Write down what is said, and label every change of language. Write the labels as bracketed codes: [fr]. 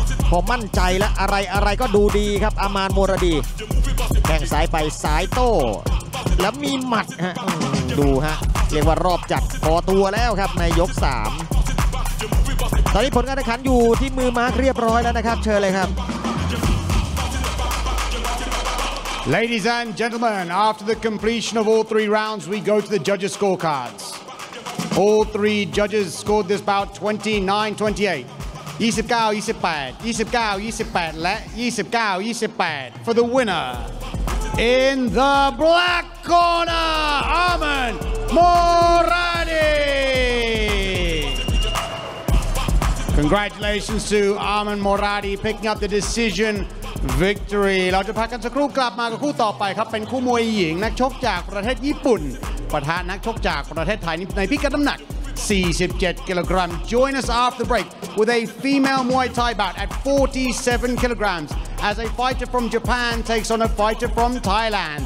[th] พอมั่นใจแล้วอะไรอะไรก็ดูดีครับอามานโมรดีแข่งสายไปสายโต้แล้วมีหมัดฮะดูฮะเรียกว่ารอบจัดพอตัวแล้วครับในยก3ตอนนี้ผลการแข่งขันอยู่ที่มือมาร์คเรียบร้อยแล้วนะครับเชิญเลยครับ [en] Ladies and gentlemen, after the completion of all 3 rounds we go to the judges scorecards. All 3 judges scored this bout 29-28 29-28 29-28 และ29-28 for the winnerIn the black corner, Armand Moradi! Congratulations to Armand Moradi picking up the decision victory. [th] เราจะพักกันสักครู่กลับมากับคู่ต่อไปครับเป็นคู่มวยหญิงนักชกจากประเทศญี่ปุ่นปะทะนักชกจากประเทศไทยในพิกัดน้ำหนัก47กิโลกรัม [en] Join us after the break with a female Muay Thai bout at 47 kilograms as a fighter from Japan takes on a fighter from Thailand.